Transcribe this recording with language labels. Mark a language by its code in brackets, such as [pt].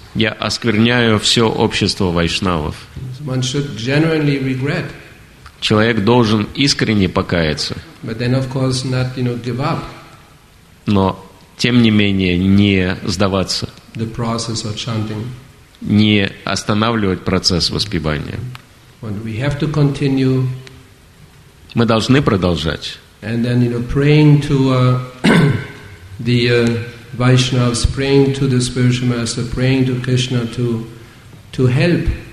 [ru] Я оскверняю все общество вайшнавов. [en] One should genuinely regret. [ru] Человек должен искренне покаяться. [en] But then, of course, not, you know, give up. [ru] Но, тем не менее, не сдаваться. [en] The process of chanting. [ru] Не останавливать процесс воспевания. [en] And we have to continue. [ru] Мы должны продолжать. [en] And then, you know, praying to the Vaishnavas, praying to the spiritual master, praying to Krishna to help.